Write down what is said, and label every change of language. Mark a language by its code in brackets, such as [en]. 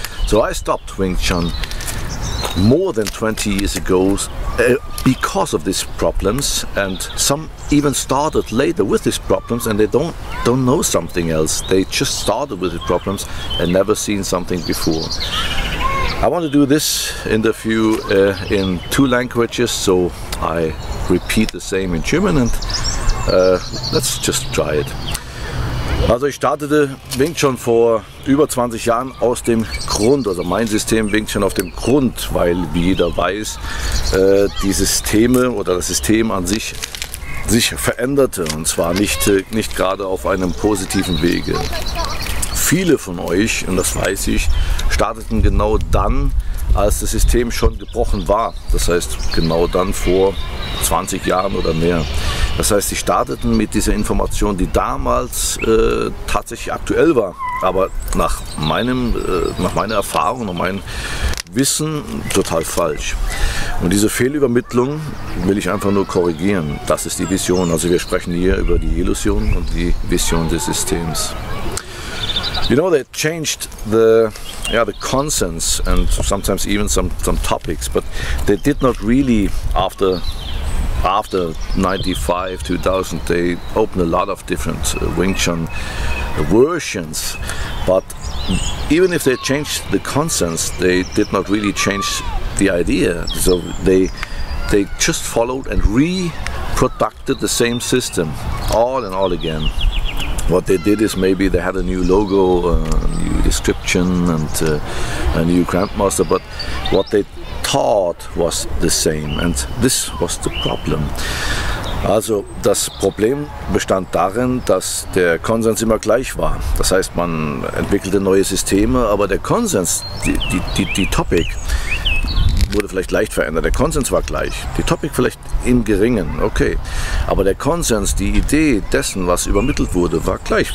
[en] So I stopped Wing Chun more than 20 years ago because of these problems, and some even started later with these problems and they don't know something else. They just started with the problems and never seen something before. I want to do this interview in two languages, so I repeat the same in German and let's just try it. [de] Also ich startete Wing Chun vor über 20 Jahren aus dem Grund, also mein System Wing Chun auf dem Grund, weil wie jeder weiß, die Systeme oder das System an sich veränderte, und zwar nicht gerade auf einem positiven Wege. Viele von euch, und das weiß ich, starteten genau dann, als das System schon gebrochen war. Das heißt, genau dann vor 20 Jahren oder mehr. Das heißt, sie starteten mit dieser Information, die damals tatsächlich aktuell war. Aber nach meiner Erfahrung und meinem Wissen total falsch. Und diese Fehlübermittlung will ich einfach nur korrigieren. Das ist die Vision. Also wir sprechen hier über die Illusion und die Vision des Systems. [en] You know, they changed the consensus and sometimes even some topics, but they did not really after 95, 2000, they opened a lot of different Wing Chun versions. But even if they changed the consensus, they did not really change the idea. So they just followed and reproducted the same system all and all again. What they did is maybe they had a new logo, a new description, and a new Grandmaster, but what they taught was the same, and this was the problem. [de] Also das Problem bestand darin, dass der Konsens immer gleich war. Das heißt, man entwickelte neue Systeme, aber der Konsens, die Topic, wurde vielleicht leicht verändert. Der Konsens war gleich. Die Topic vielleicht im Geringen, okay. Aber der Konsens, die Idee dessen, was übermittelt wurde, war gleich.